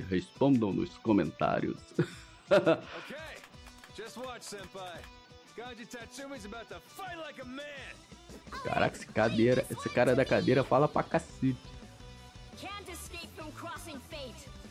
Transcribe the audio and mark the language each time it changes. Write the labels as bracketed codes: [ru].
[pt] Respondam nos comentários. [en] Okay. Just watch, senpai. Gaji Tatsumi's about to fight like a man. [pt] Caraca, esse cadeira. Esse cara da cadeira fala pra cacete. [en] Can't escape from crossing fate.